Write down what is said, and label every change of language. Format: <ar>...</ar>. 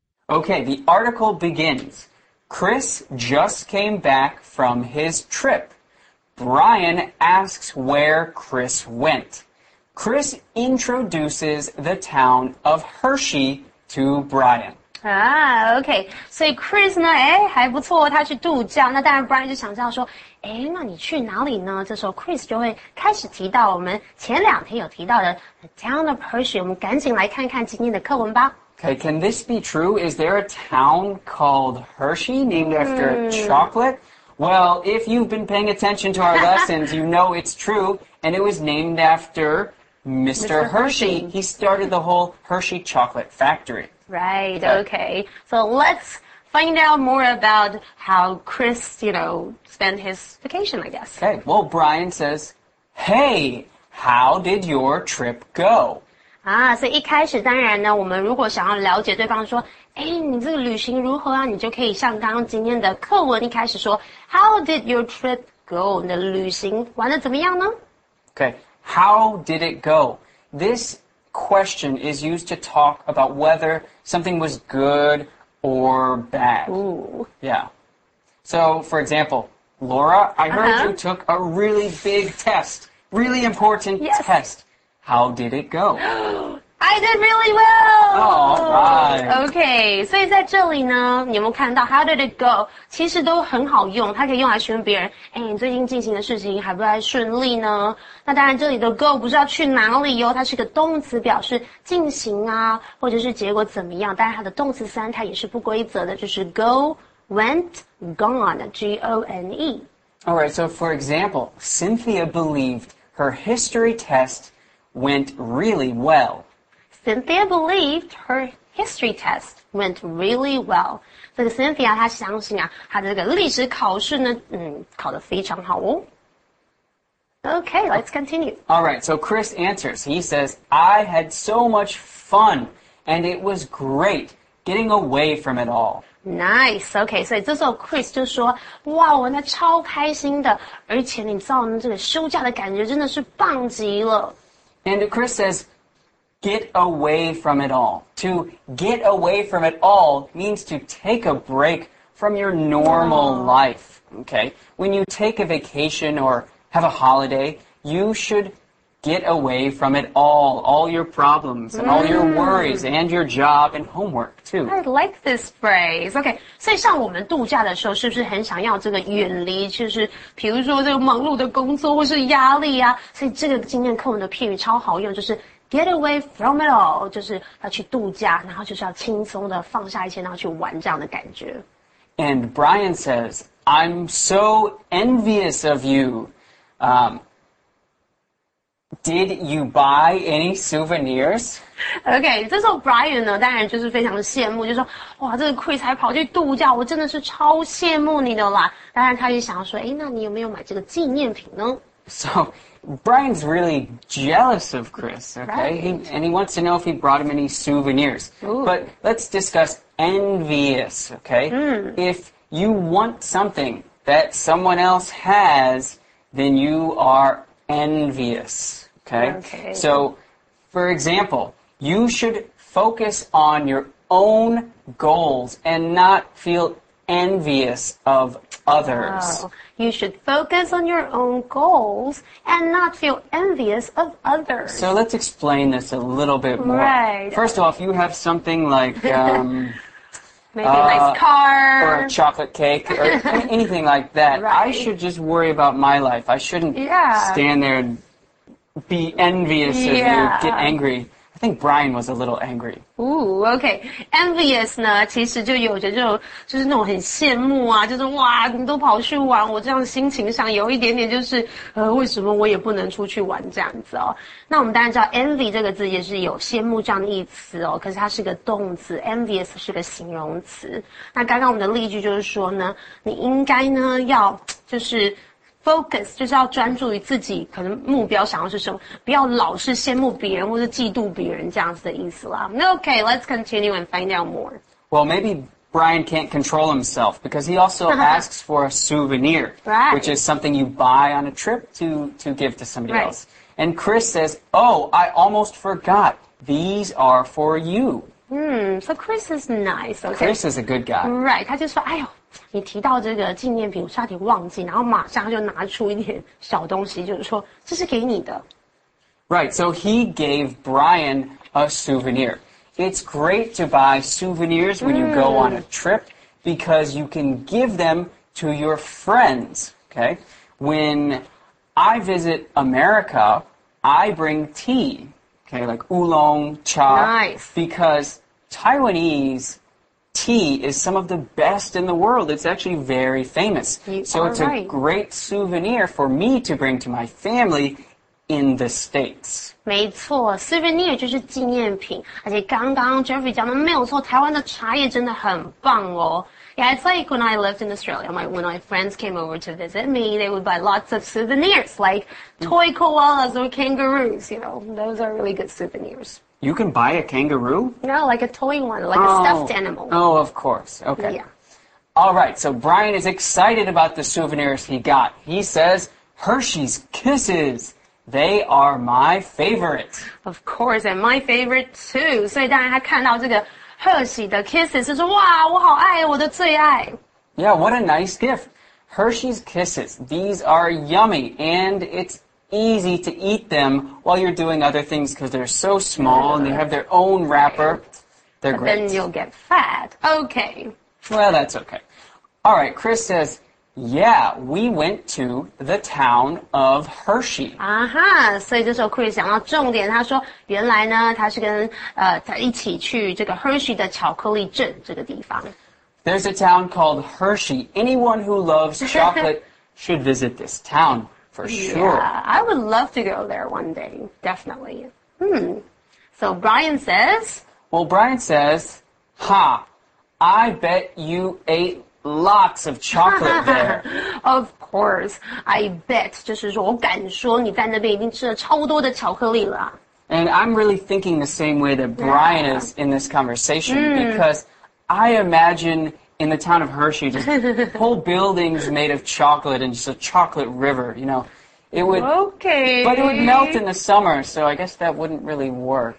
<en>Okay, the article begins. Chris just came back from his trip. Brian asks where Chris went. Chris introduces the town of Hershey to Brian. Okay.</en> <zh>So Chris 呢，哎，还不错，他去度假。那当然 Brian 就想知道说，哎，那你去哪里呢？这时候 Chris 就会开始提到我们前两天有提到的 the town of Hershey。我们赶紧来看看今天的课文吧。</zh> <en>Okay, can this be true? Is there a town called Hershey named after chocolate? Well, if you've been paying attention to our lessons, you know it's true. And it was named after Mr. Hershey. He started the whole Hershey chocolate factory. Right, okay. So let's find out more about how Chris, you know, spent his vacation, I guess. Okay, well, Brian says, Hey, how did your trip go?</en> <zh>所以一开始当然呢，我们如果想要了解对方说，哎，你这个旅行如何啊？你就可以像刚刚今天的课文一开始说 ， How did your trip go？你的旅行玩得怎么样呢</zh> <en>？Okay, how did it go？ This question is used to talk about whether something was good or bad. Ooh. Yeah. So, for example, Laura, I heard you took a really big test, really important test. How did it go? I did really well. All right. Okay.</en> <zh>所以在这里呢，你有没有看到 How did it go? 其实都很好用，它可以用来询问别人。哎，你最近进行的事情还不太顺利呢。那当然，这里的 go 不是要去哪里哟，它是个动词，表示进行啊，或者是结果怎么样。但是它的动词三态也是不规则的，就是 go, went, gone, G-O-N-E.</zh> <en>All right. So for example, Cynthia believed her history test went really well. Cynthia believed her history test went really well.</en> <zh>这个 Cynthia 她相信啊，她的这个历史考试呢，考得非常好哦。</zh> <en>Okay, let's continue. All right, so Chris answers. He says, I had so much fun, and it was great getting away from it all. Nice, okay.</en> <zh>所以这时候 Chris 就说，哇，我那超开心的，而且你知道呢，这个休假的感觉真的是棒极了。</zh> <en>And Chris says,Get away from it all. To get away from it all means to take a break from your normal life. Okay. When you take a vacation or have a holiday, you should get away from it all your problems and all your worries and your job and homework too. I like this phrase. Okay.</en> <zh>所以像我们度假的时候，是不是很想要这个远离，就是比如说这个忙碌的工作或是压力啊？所以这个今天课文的片语超好用，就是。 Get away from it all, 就是要去度假，然后就是要轻松的放下一切，然后去玩这样的感觉。</zh> <en>And Brian says, I'm so envious of you. Did you buy any souvenirs?</en> <zh>Okay, 这时候 Brian 呢，当然就是非常羡慕，就说，哇，这个 Chris 还跑去度假，我真的是超羡慕你的啦。当然他也想说，哎，那你有没有买这个纪念品呢？</zh> <en>So, Brian's really jealous of Chris, okay? Right. He wants to know if he brought him any souvenirs. Ooh. But let's discuss envious, okay? If you want something that someone else has, then you are envious, okay? So, for example, you should focus on your own goals and not feel envious of others. Wow. You should focus on your own goals and not feel envious of others. So let's explain this a little bit more. Right. First off, you have something like... maybe a nice car. Or a chocolate cake or anything like that. Right. I should just worry about my life. I shouldn't stand there and be envious of you, get angry. I think Brian was a little angry. Ooh, okay.</en> <zh>Envious 呢，其实就有着就是那种很羡慕啊，就是哇，你都跑去玩，我这样心情上有一点点就是为什么我也不能出去玩这样子哦。那我们当然知道 envy 这个字也是有羡慕这样的意思哦，可是它是个动词 ，envious 是个形容词。那刚刚我们的例句就是说呢，你应该呢要就是。 Focus 就是要专注于自己可能目标想要是什么，不要老是羡慕别人或是嫉妒别人这样子的意思啦。</zh> <en>Okay, let's continue and find out more. Well, maybe Brian can't control himself because he also asks for a souvenir, which is something you buy on a trip to give to somebody else. And Chris says, oh, I almost forgot. These are for you. So Chris is nice, okay? Chris is a good guy. Right, 他就说，哎呦。你提到这个纪念品，我差点忘记，然后马上就拿出一点小东西，就是说这是给你的。 Right, so he gave Brian a souvenir. It's great to buy souvenirs when you go on a trip because you can give them to your friends. Okay, when I visit America, I bring tea. Okay, like oolong cha. Nice. Because Taiwanese. Tea is some of the best in the world. It's actually very famous. So it's a great souvenir for me to bring to my family in the States.</en> <zh>没错 ,souvenir 就是纪念品。而且刚刚 Jeffrey 讲的没有错台湾的茶叶真的很棒哦。</zh> <en>Yeah, it's like when I lived in Australia, when my friends came over to visit me, they would buy lots of souvenirs, like toy koalas or kangaroos, you know, those are really good souvenirs. You can buy a kangaroo? No, like a toy one, like a stuffed animal. Oh, of course. Okay. Yeah. All right, so Brian is excited about the souvenirs he got. He says, Hershey's Kisses. They are my favorite. Of course, and my favorite too.</en> <zh>所以大家看到这个 Hershey 的 Kisses, 就是哇我好爱我的最爱。</zh> <en>Yeah, what a nice gift. Hershey's Kisses, these are yummy, and it's easy to eat them while you're doing other things because they're so small and they have their own wrapper. They're but great. Then you'll get fat. Okay. Well, that's okay. All right, Chris says... Yeah, we went to the town of Hershey.</en> <zh>啊哈，所以这时候 Chris 讲到重点，他说原来呢，他是跟他一起去这个 Hershey 的巧克力镇这个地方。</zh> <en>There's a town called Hershey. Anyone who loves chocolate should visit this town for sure. Yeah, I would love to go there one day, definitely. So Brian says... Well, Brian says, ha, I bet you ate... Lots of chocolate there. Of course. I bet.</en> <zh>就是说我敢说你在那边已经吃了超多的巧克力了。</zh> <en>And I'm really thinking the same way that Brian is in this conversation, because I imagine in the town of Hershey, just whole buildings made of chocolate and just a chocolate river, you know. It would, okay. But it would melt in the summer, so I guess that wouldn't really work.</en>